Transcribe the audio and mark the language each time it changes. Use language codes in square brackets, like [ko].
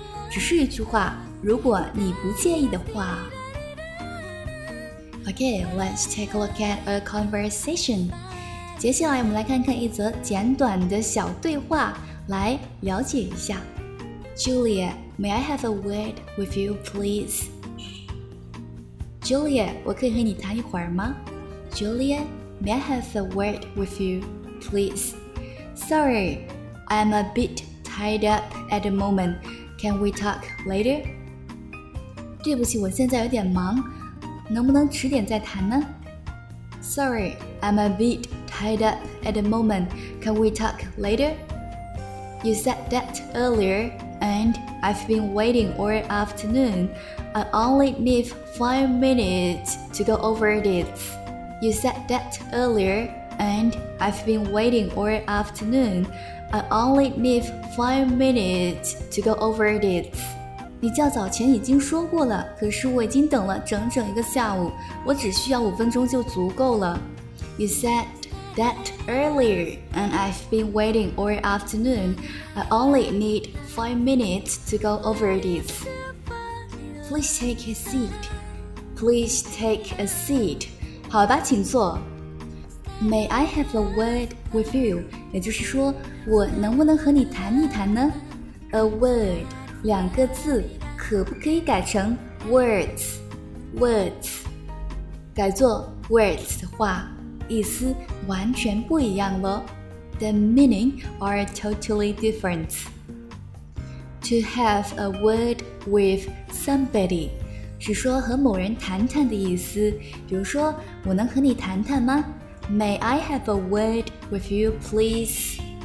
[zh] 只是一句话，如果你不介意的话。 [en] Okay, let's take a look at a conversation. [zh] 接下来我们来看看一则简短的小对话，来了解一下。 [en] Julia, may I have a word with you, please? [zh] Julia, 我可以和你谈一会儿吗? [en] Julia, may I have a word with you, please? Sorry, I'm a bit tied up at the moment. Can we talk later? [zh] 对不起,我现在有点忙。能不能迟点再谈呢? [en] Sorry, I'm a bit tied up at the moment. Can we talk later? You said that earlier. And I've been waiting all afternoon. I only need 5 minutes to go over this. You said that earlier. And I've been waiting all afternoon. I only need 5 minutes to go over this. [zh] 你较早前已经说过了，可是我已经等了整整一个下午，我只需要5分钟就足够了。 [en] You said that earlier. And I've been waiting all afternoon. I only need 5 minutes to go over this. Please take a seat. Please take a seat. [zh] 好吧，请坐。 [en] May I have a word with you? [zh] 也就是说，我能不能和你谈一谈呢？ [en] A word, [zh] 两个字，可不可以改成 words? [en] Words. [zh] 改作 words 的话，意思完全不一样了。 [en] The meaning are totally different. To have a word with somebody [zh] 是说和某人谈谈的意思，比如说我能和你谈谈吗？ [en] May I have a word with you, please?